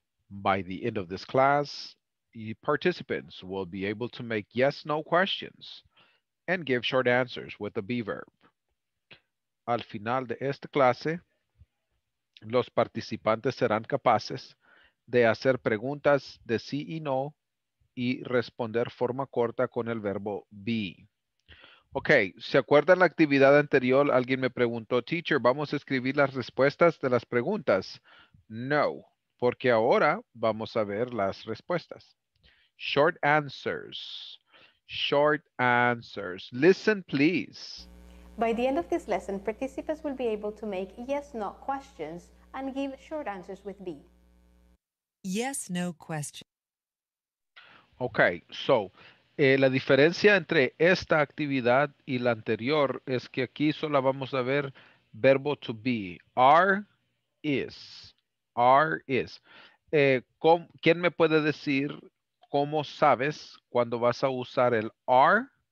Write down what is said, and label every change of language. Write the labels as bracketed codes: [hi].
[en] By the end of this class, participants will be able to make yes, no questions and give short answers with a be verb. [es] Al final de esta clase, los participantes serán capaces de hacer preguntas de sí y no y responder forma corta con el verbo be. Ok, ¿se acuerdan la actividad anterior? Alguien me preguntó, teacher, ¿vamos a escribir las respuestas de las preguntas? No, porque ahora vamos a ver las respuestas. [en] Short answers. Short answers. Listen, please. By the end of this lesson, participants will be able to make yes-no questions and give short answers with B. Yes-no question. [es] Ok, so, la diferencia entre esta actividad y la anterior es que aquí solo vamos a ver verbo to be. [en] Are, is. Are, is. [es] ¿Quién me puede decir cómo sabes cuando vas a usar el are?